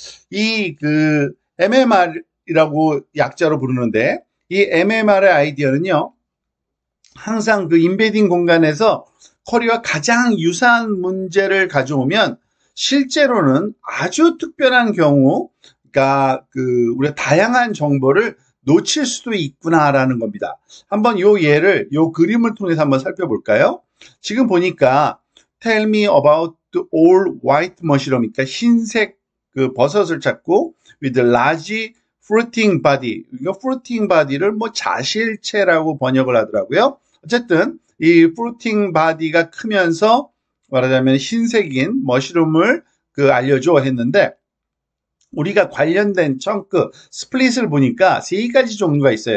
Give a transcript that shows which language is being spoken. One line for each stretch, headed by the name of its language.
Korean: 이그 MMR이라고 약자로 부르는데 이 MMR의 아이디어는요, 항상 그 인베딩 공간에서 쿼리와 가장 유사한 문제를 가져오면 실제로는 아주 특별한 경우, 그러니까 그 우리가 다양한 정보를 놓칠 수도 있구나라는 겁니다. 한번 요 예를, 요 그림을 통해서 한번 살펴볼까요? 지금 보니까
English: Tell me about all white mushroom,
Korean: 그러니까 흰색 그 버섯을 찾고
English: with large Fruiting body.
Korean: 이거 fruiting body를 뭐 자실체라고 번역을 하더라고요. 어쨌든 이 fruiting body가 크면서 말하자면 흰색인 머시룸을 그 알려줘 했는데 우리가 관련된 청크 스플릿을 보니까 세 가지 종류가 있어요.